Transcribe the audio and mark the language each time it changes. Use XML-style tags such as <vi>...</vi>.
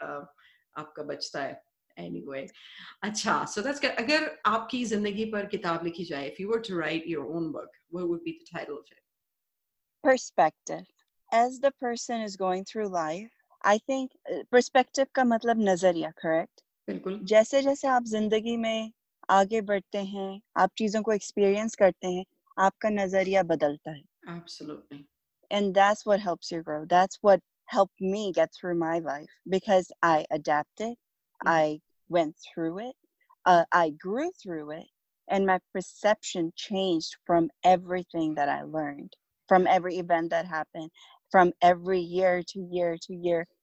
<hi>Aapka bachta hai. Anyway. Achha,</hi> <en>so that's good.</en> <hi>Agar aapki zindagi par kitab likhi jaye,</hi> <en>if you were to write your own book, what would be the title of it? Perspective. As the person is going through life, I think perspective</en> <hi>ka matlab nazariya,</hi> <en>correct?</en> <hi>Bilkul. जैसे जैसे आप ज़िंदगी में आगे बढ़ते हैं, आप चीज़ों को एक्सपीरियंस करते हैं, आपका नज़रिया बदलता है।</hi> <en>Absolutely. And that's what helps you grow. That's what helped me get through my life because I adapted, I went through it, I grew through it, and my perception changed from everything that I learned, from every event that happened, from every year to year to year.</en>